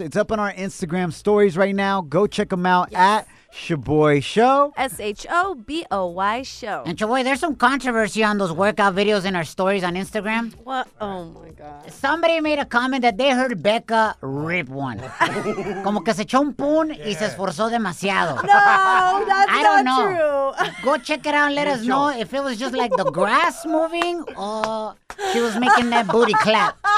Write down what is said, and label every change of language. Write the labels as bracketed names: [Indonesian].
[English] It's up on our Instagram stories right now. Go check them out at Shaboy Show. S-H-O-B-O-Y Show. And Shaboy, there's some controversy on those workout videos in our stories on Instagram. What? Oh, my God. Somebody made a comment that they heard Becca rip one. [Spanish] Como que se echó un pun y se esforzó demasiado. [English] No, that's I don't not know. True. Go check it out and let us know if it was just like the grass moving or she was making that booty clap.